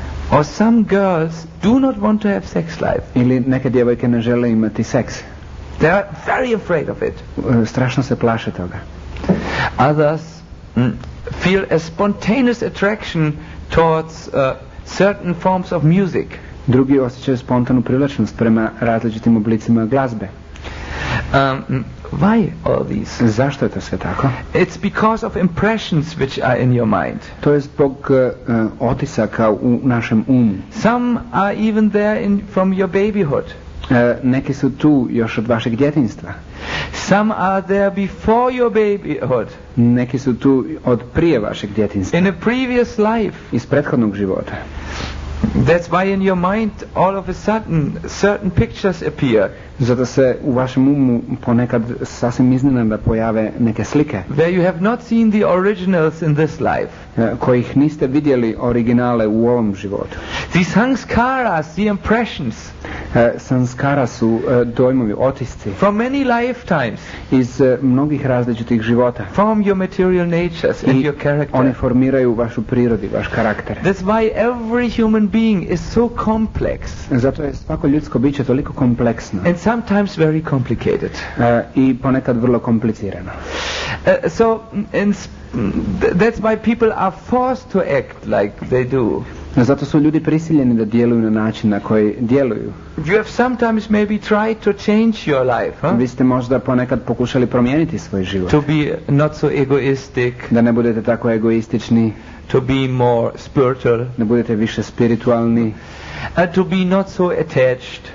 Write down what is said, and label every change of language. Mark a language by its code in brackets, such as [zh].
[en] Or some girls do not want to have sex life. [hr] Ili neke djevojke ne žele imati seks. [en] They are very afraid of it. [hr] Strašno se plaše toga. [en] Others feel a spontaneous attraction towards certain forms of music. [hr] Drugi osjećaju spontanu privlačnost prema različitim oblicima glazbe. [en] Why all these? [hr] Zašto je to sve tako? [en] It's because of impressions which are in your mind. [hr] To je zbog otisaka u našem umu. [en] Some are even there in from your babyhood. [hr] Neki su tu još od vašeg djetinjstva. [en] Some are there before your babyhood. [hr] Neki su tu od prije vašeg djetinjstva. [en] In a previous life. [hr] Iz prethodnog života. [en] That's why in your mind all of a sudden certain pictures appear. [hr] Zato se u vašem umu ponekad sasvim iznenada pojave neke slike. [en] Where you have not seen the originals in this life. [hr] Kojih niste vidjeli originale u ovom životu. [en] The sanskaras, the impressions. [hr] Sanskara su dojmovi, otisci. [en] From many lifetimes. [hr] Iz mnogih različitih života. [en] From your material natures and your character. [hr] Oni formiraju vašu prirodu, vaš karakter. [en] That's why every human being is so complex. [hr] Zato je svako ljudsko biće toliko kompleksno. [en] And sometimes very complicated. [hr] I ponekad vrlo komplicirano. [en] So in that's why people are forced to act like they do. [hr] Zato su ljudi prisiljeni da djeluju na način na koji djeluju. [en] You have sometimes maybe tried to change your life, huh? [hr] Vi ste možda ponekad pokušali promijeniti svoj život. [en] To be not so egoistic. [hr] Da ne budete tako egoistični. [en] To be more spiritual. [hr] Da budete više spiritualni. [en] To be not so attached.